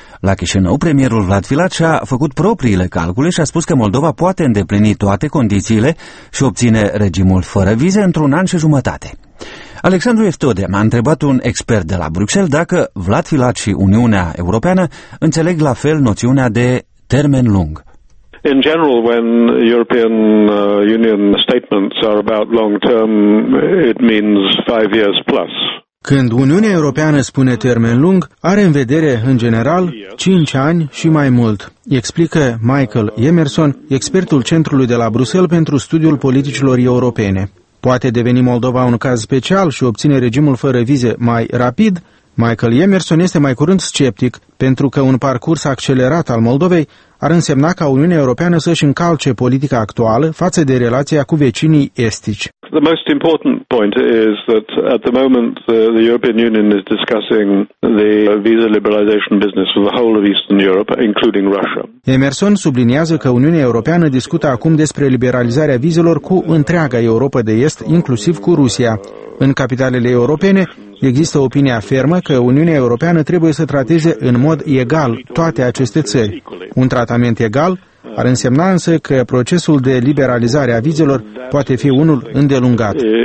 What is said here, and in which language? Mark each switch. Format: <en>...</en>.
<ro>La Chișinău, premierul Vlad Filat și-a făcut propriile calcule și a spus că Moldova poate îndeplini toate condițiile și obține regimul fără vize într-un an și jumătate. Alexandru Eftode m-a întrebat un expert de la Bruxelles dacă Vlad Filat și Uniunea Europeană înțeleg la fel noțiunea de termen lung.</ro> <en>In general, when European Union statements are about long term, it means 5 years plus.</en> <ro>Când Uniunea Europeană spune termen lung, are în vedere, în general, 5 ani și mai mult, explică Michael Emerson, expertul Centrului de la Bruxelles pentru studiul politicilor europene. Poate deveni Moldova un caz special și obține regimul fără vize mai rapid? Michael Emerson este mai curând sceptic, pentru că un parcurs accelerat al Moldovei ar însemna ca Uniunea Europeană să-și încalce politica actuală față de relația cu vecinii estici.</ro> <en>The most important point is that at the moment the European Union is discussing the visa liberalization business for the whole of Eastern Europe, including Russia.</en> <ro>Emerson subliniază că Uniunea Europeană discută acum despre liberalizarea vizelor cu întreaga Europa de Est, inclusiv cu Rusia. În capitalele europene există opinia fermă că Uniunea Europeană trebuie să trateze în mod egal toate aceste țări. Un tratament egal ar însemna însă că procesul de liberalizare a vizelor poate fi unul îndelungat.</ro>